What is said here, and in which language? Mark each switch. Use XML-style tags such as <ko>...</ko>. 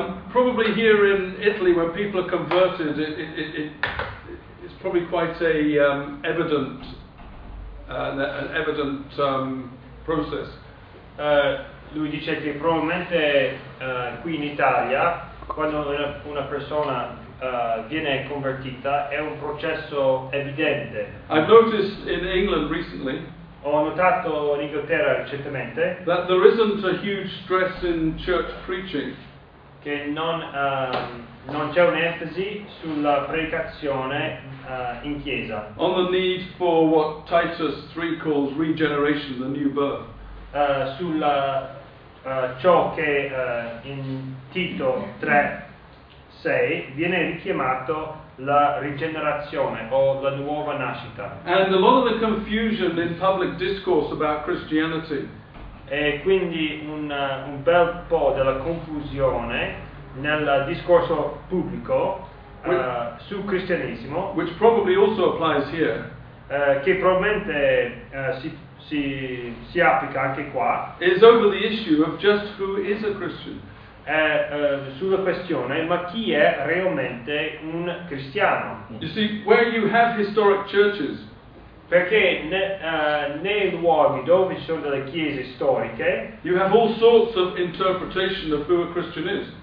<en>Probably here in Italy, where people are converted, it's probably quite an evident process.</en> <it>Lui dice che probabilmente qui in Italia, quando una persona viene convertita è un processo evidente.</it> <en>I've noticed in England recently.</en> <it>Ho notato in Inghilterra recentemente.</it> <en>That there isn't a huge stress in church preaching.</en> <it>Che non c'è un'enfasi sulla predicazione in chiesa.</it> <en>On the need for what Titus 3 calls regeneration, the new birth.</en> <it>Ciò che in Tito 3 6, viene richiamato la rigenerazione o la nuova nascita.</it> <en>And a lot of the confusion in public discourse about Christianity.</en> <it>E quindi un bel po' della confusione nel discorso pubblico su cristianesimo.</it> <en>Which probably also applies here.</en> <it>Che probabilmente si applica anche qua.</it> <en>Is over the issue of just who is a Christian.</en> <it>Sulla questione, ma chi è realmente un cristiano?</it> <en>You see, where you have historic churches,</en> <it>perché nei luoghi dove ci sono delle chiese storiche,</it> <en>you have all sorts of interpretation of who a Christian is.</en>